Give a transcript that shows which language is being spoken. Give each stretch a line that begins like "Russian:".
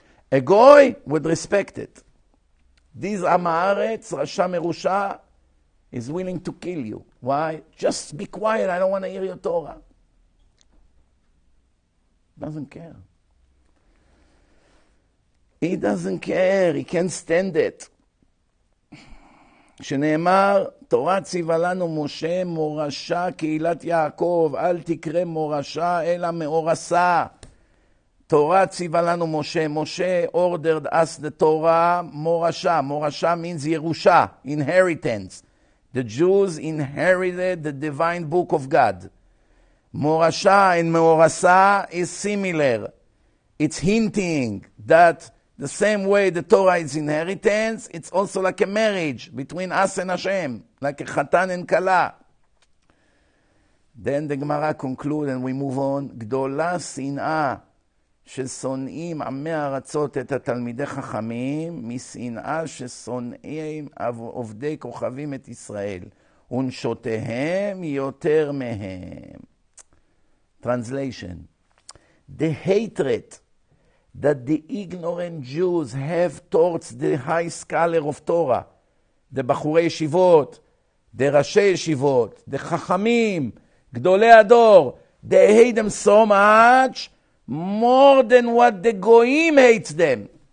English: A goy would respect it. These Am Haaretz, Rasha Merusha, is willing to kill you. Why? Just be quiet. I don't want to hear your Torah. Doesn't care. He doesn't care. He can't stand it.
Hebrew: שנאמר, תורה ציווה לנו משה, מורשה, קהילת יעקב, אל תקרא מורשה, אלא מאורסה. תורה ציווה לנו משה.
English: משה ordered us the Torah, מורשה. מורשה means ירושה, inheritance. The Jews inherited the divine book of God. Morasha and Morasa is similar. It's hinting that the same way the Torah is inheritance, it's also like a marriage between us and Hashem, like a chatan and kala. Then the Gemara conclude and we move on.
Hebrew: Gdola sin'a ששונאים עמי ארצות את התלמידי חכמים, משנאה ששונאים עובדי כוכבים את ישראל, ונשותיהם יותר מהם. Translation.
English: the hatred that the ignorant Jews have towards the high scholar of Torah, the bachurei yeshivot, the rashi yeshivot, the chachamim, gdolei hador, they hate them so much, more than what the goyim hates them.